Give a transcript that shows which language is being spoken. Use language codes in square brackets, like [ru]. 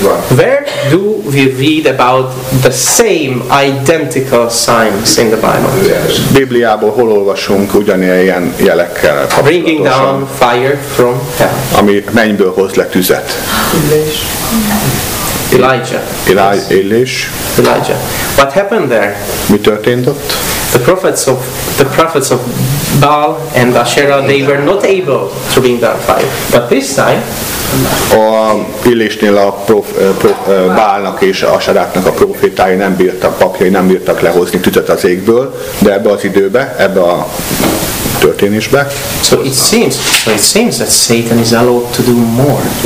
[en] Where do we read about the same identical signs in the Bible? [hu] Bibliából hol olvasunk ugyanilyen jelekkel kapcsolatosan? [en] Bringing down fire from hell. [hu] Ami mennyből hoz le tüzet. [en] Elijah. What happened there? [hu] Mi történt ott? [en] The prophets of Baal and Asherah, they were not able to bring down fire. But this time, [hu] Illésnél Baalnak és Asherahnak a profétái nem bírtak lehozni tüzet az égből, de ebbe az időbe, ebbe a történésbe. [en] So it seems that Satan is allowed to do more.